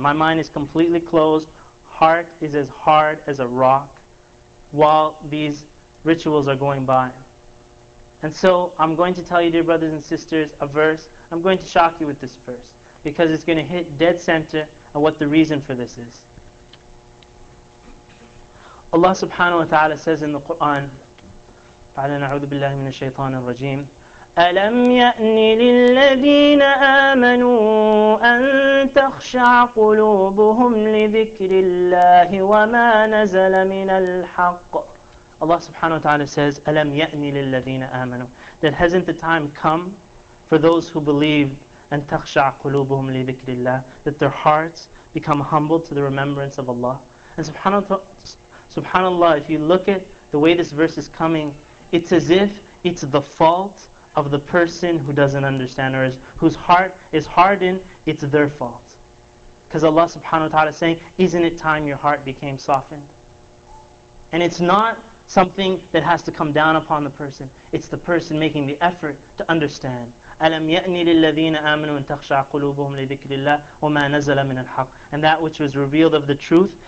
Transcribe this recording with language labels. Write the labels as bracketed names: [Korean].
[English] My mind is completely closed. Heart is as hard as a rock while these rituals are going by. And so I'm going to tell you, dear brothers and sisters, a verse. I'm going to shock you with this verse, because it's going to hit dead center on what the reason for this is. Allah subhanahu wa ta'ala says in the Quran, [Arabic] فَعَلَنَا عُوذُ بِاللَّهِ مِنَ الشَّيْطَانِ الرَّجِيمِ أَلَمْ يَأْنِ لِلَّذِينَ آمَنُوا أَن تَخْشَعَ قُلُوبُهُمْ لِذِكْرِ اللَّهِ وَمَا نَزَلَ مِنَ الْحَقِّ. [English] Allah subhanahu wa ta'ala says, [Arabic] أَلَمْ يَأْنِ لِلَّذِينَ آمَنُوا, [English] that hasn't the time come for those who believe, and [Arabic] تَخْشَعَ قُلُوبُهُمْ لِذِكْرِ اللَّهِ, [English] that their hearts become humbled to the remembrance of Allah. And subhanallah, if you look at the way this verse is coming, it's as if it's the fault of the person who doesn't understand, or whose heart is hardened, it's their fault. Because Allah subhanahu wa ta'ala is saying, isn't it time your heart became softened? And it's not something that has to come down upon the person. It's the person making the effort to understand. [Arabic] أَلَمْ يَأْنِ لِلَّذِينَ آمَنُوا أَن تَخْشَعَ قُلُوبُهُمْ لِذِكْرِ اللَّهِ وَمَا نَزَلَ مِنَ الْحَقِّ, [English] and that which was revealed of the truth.